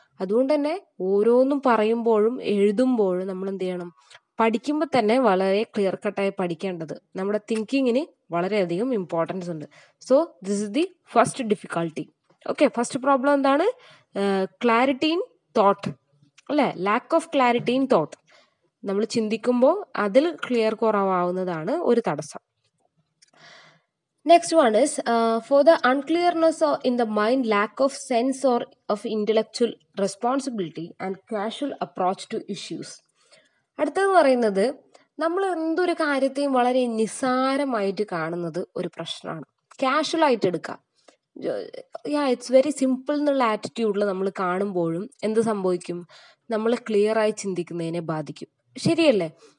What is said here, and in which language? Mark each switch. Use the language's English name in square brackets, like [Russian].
[Malayalam] അതുകൊണ്ട് തന്നെ ഓരോന്നും പറയുമ്പോഴും എഴുതുമ്പോഴും നമ്മൾ എന്ത് ചെയ്യണം, പഠിക്കുമ്പോൾ തന്നെ വളരെ ക്ലിയർ കട്ടായി പഠിക്കേണ്ടത് നമ്മുടെ തിങ്കിങ്ങിന് വളരെയധികം ഇമ്പോർട്ടൻസ് ഉണ്ട്. [English] So this is the first difficulty. Okay, first problem [Malayalam] എന്താണ്? [English] clarity in thought [Malayalam] അല്ലേ, [English] Lack of clarity in thought. [Malayalam] നമ്മൾ ചിന്തിക്കുമ്പോൾ അതിൽ ക്ലിയർ കുറവാവുന്നതാണ് ഒരു തടസ്സം. [English] Next one is, for the unclearness in the mind, lack of sense or of intellectual responsibility and casual approach to issues. [Malayalam] അടുത്തതെന്ന് പറയുന്നത് നമ്മൾ എന്തൊരു കാര്യത്തെയും വളരെ നിസ്സാരമായിട്ട് കാണുന്നത് ഒരു പ്രശ്നമാണ്. കാഷ്വൽ ആയിട്ട് എടുക്കുക, [English] yeah it's very simple [Malayalam] എന്നുള്ള ആറ്റിറ്റ്യൂഡിൽ നമ്മൾ കാണുമ്പോഴും എന്ത് സംഭവിക്കും, നമ്മൾ ക്ലിയറായി ചിന്തിക്കുന്നതിനെ ബാധിക്കും. ശരിയല്ലേ?